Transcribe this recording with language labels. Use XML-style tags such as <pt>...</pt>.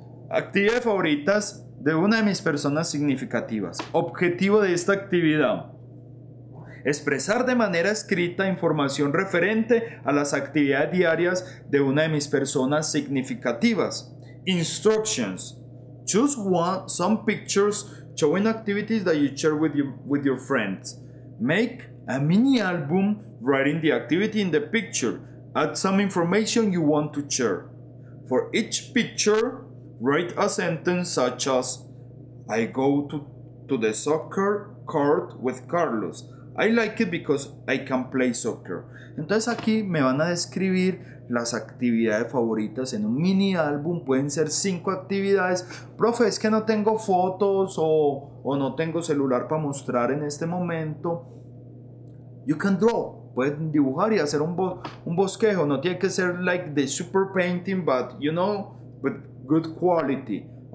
<es>Actividad favoritas de una de mis personas significativas. Objetivo de esta actividad: expresar de manera escrita información referente a las actividades diarias de una de mis personas significativas.</es> <en>Instructions: choose one, some pictures showing activities that you share with your friends. Make a mini album writing the activity in the picture. Add some information you want to share. For each picture, write a sentence such as, I go to the soccer court with Carlos. I like it because I can play soccer.</en> <es>Entonces aquí me van a describir las actividades favoritas en un mini álbum. Pueden ser 5 actividades. Profe, es que no tengo fotos o no tengo celular para mostrar en este momento.</es> <en>You can draw.</en> <es>Pueden dibujar y hacer un bosquejo. No tiene que ser</es> <en>like the super painting, but you know, with good quality.</en>